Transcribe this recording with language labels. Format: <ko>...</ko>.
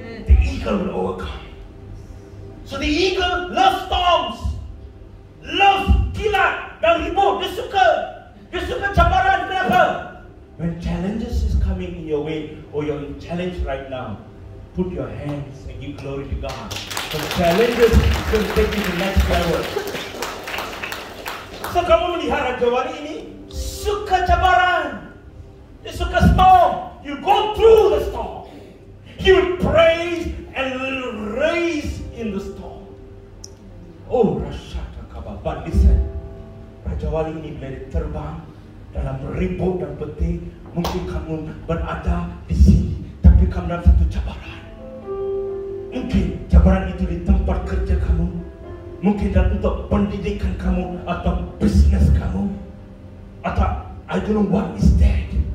<en>The eagle will overcome. So the eagle loves storms, loves</en> <ms>silat dan ribut. Dia suka. Dia suka cabaran. Kenapa?</ms> <en>When challenges is coming in your way, or you're in challenge right now, put your hands and give glory to God. So the challenges is going to take you to the next level.</en> <ms>So kamu melihat Raja Wali ini suka cabaran. Dia suka</ms> <en>storm. You go through the storm. He will praise and raise in the storm. Oh, Rasha Takaba. But listen,</en> <ms>Raja Wali ini bila dia terbang dalam ribut dan peti, mungkin kamu berada di sini, tapi kamu dalam satu cabaran. Mungkin cabaran itu di tempat kerja kamu, mungkin dalam untuk pendidikan kamu atau bisnes kamu, atau</ms> <en>I don't know what is that.</en>